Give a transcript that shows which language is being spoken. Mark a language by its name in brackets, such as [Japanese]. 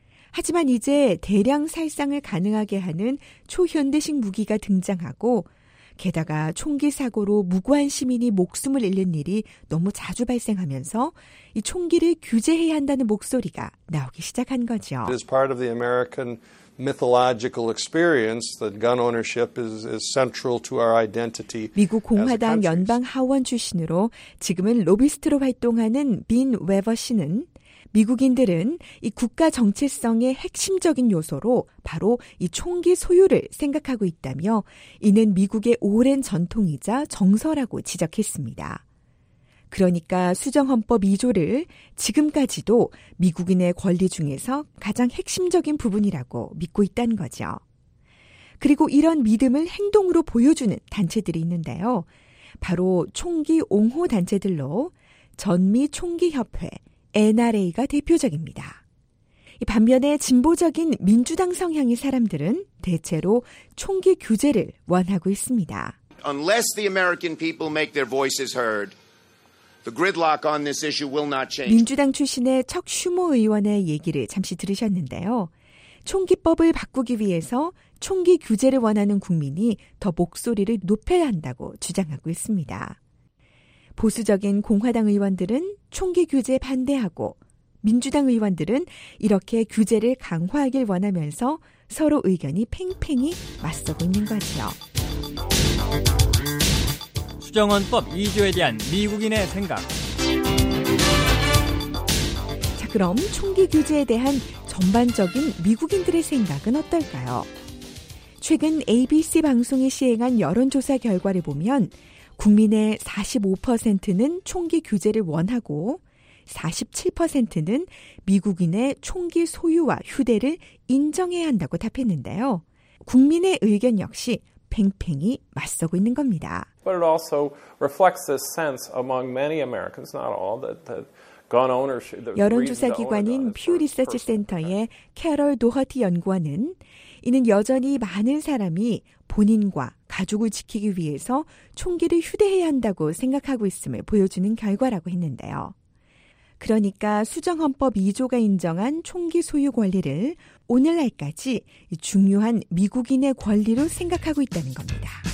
[Korean] 하지만 이제 대량 살상을 가능하게 하는 초현대식 무기가 등장하고 게다가 총기 사고로 무고한 시민이 목숨을 잃는 일이 너무 자주 발생하면서 이 총기를 규제해야 한다는 목소리가 나오기 시작한 거죠. [English] It is part of the American mythological experience that gun ownership is central to our identity. [Korean] 미국 공화당 연방 하원 출신으로 지금은 로비스트로 활동하는 빈 웨버 씨는 미국인들은 이 국가 정체성의 핵심적인 요소로 바로 이 총기 소유를 생각하고 있다며 이는 미국의 오랜 전통이자 정서라고 지적했습니다. 그러니까 수정헌법 2조를 지금까지도 미국인의 권리 중에서 가장 핵심적인 부분이라고 믿고 있다는 거죠. 그리고 이런 믿음을 행동으로 보여주는 단체들이 있는데요. 바로 총기 옹호 단체들로 전미총기협회, NRA가 대표적입니다. 반면에 진보적인 민주당 성향의 사람들은 대체로 총기 규제를 원하고 있습니다. [English] Unless the American people make their voices heard, the gridlock on this issue will not change. [Korean] 민주당 출신의 척 슈모 의원의 얘기를 잠시 들으셨는데요. 총기법을 바꾸기 위해서 총기 규제를 원하는 국민이 더 목소리를 높여야 한다고 주장하고 있습니다. 보수적인 공화당 의원들은 총기 규제에 반대하고 민주당 의원들은 이렇게 규제를 강화하길 원하면서 서로 의견이 팽팽히 맞서고 있는 거죠. 수정헌법 2조에 대한 미국인의 생각. 자, 그럼 총기 규제에 대한 전반적인 미국인들의 생각은 어떨까요? 최근 ABC 방송이 시행한 여론조사 결과를 보면 국민의 45%는 총기 규제를 원하고 47%는 미국인의 총기 소유와 휴대를 인정해야 한다고 답했는데요. 국민의 의견 역시 팽팽히 맞서고 있는 겁니다. [English] But it also reflects this sense among many Americans, not all, that the gun ownership. [Korean] 여론조사 기관인 퓨 리서치 센터의 캐럴 도허티 연구원은 이는 여전히 많은 사람이 본인과 가족을 지키기 위해서 총기를 휴대해야 한다고 생각하고 있음을 보여주는 결과라고 했는데요. 그러니까 수정헌법 2조가 인정한 총기 소유 권리를 오늘날까지 중요한 미국인의 권리로 생각하고 있다는 겁니다.